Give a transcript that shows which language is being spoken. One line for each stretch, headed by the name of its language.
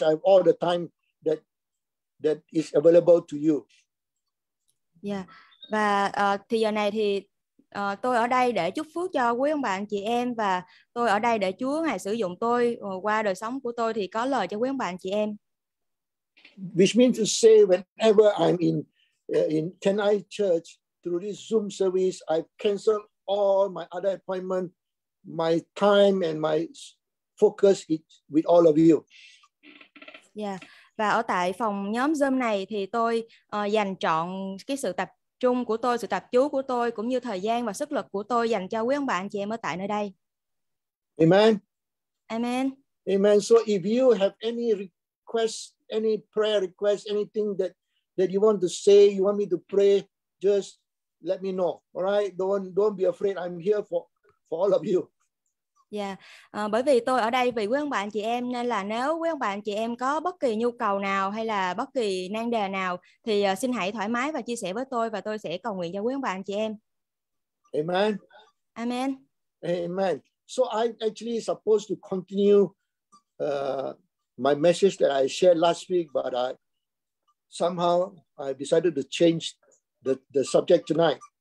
English: I have all the time that is available to you.
Vietnamese: Và thì giờ này thì tôi ở đây để chúc phước cho quý ông bà anh chị em và tôi ở đây để Chúa Ngài sử dụng tôi qua đời sống của tôi thì có lời cho quý ông bà anh chị em.
English: Which means to say, whenever I'm in Chennai Church through this Zoom service, I cancel all my other appointment, my time and my focus it with all of you.
Vietnamese: Và ở tại phòng nhóm Zoom này thì tôi dành trọn cái sự tập trung của tôi, sự tập chú của tôi cũng như thời gian và sức lực của tôi dành cho quý ông bà anh chị em ở tại nơi đây.
English: Amen. Amen. Amen. So if you have any request, any prayer request, anything that you want to say, you want me to pray, just let me know. All right? Don't be afraid. I'm here for all of you.
Vietnamese: Bởi vì tôi ở đây vì quý ông bà anh chị em nên là nếu quý ông bà anh chị em có bất kỳ nhu cầu nào hay là bất kỳ nan đề nào thì xin hãy thoải mái và chia sẻ với tôi và tôi sẽ cầu nguyện cho quý ông bà anh chị em.
English: Amen. Amen. Amen. So I actually supposed to continue my message that I shared last week, but I decided to change the subject tonight.